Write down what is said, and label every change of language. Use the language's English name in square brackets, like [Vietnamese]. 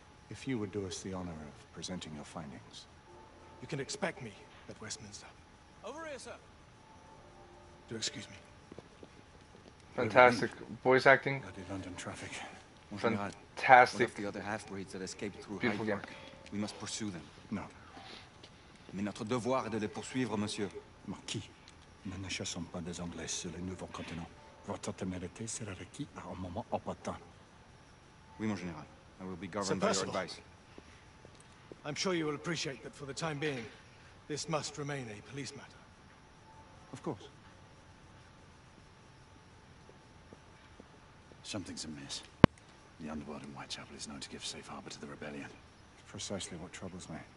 [English] If you would do us the honor of presenting your findings. You can expect me at Westminster. Over here, sir. Do excuse me. Fantastic voice acting. Bloody London traffic. Fantastic. One of the other half-breeds that escaped through Hyde Park. We must pursue them. No. [French] Mais notre devoir est de les poursuivre, monsieur. Marquis, nous ne chassons pas des Anglais sur le nouveau continent. Votre témérité sera requis à un moment opportun. Oui, mon général. [English] I will be governed by your advice. I'm sure you will appreciate that for the time being, this must remain a police matter. Of course. Something's amiss. The underworld in Whitechapel is known to give safe harbor to the rebellion. Precisely what troubles me.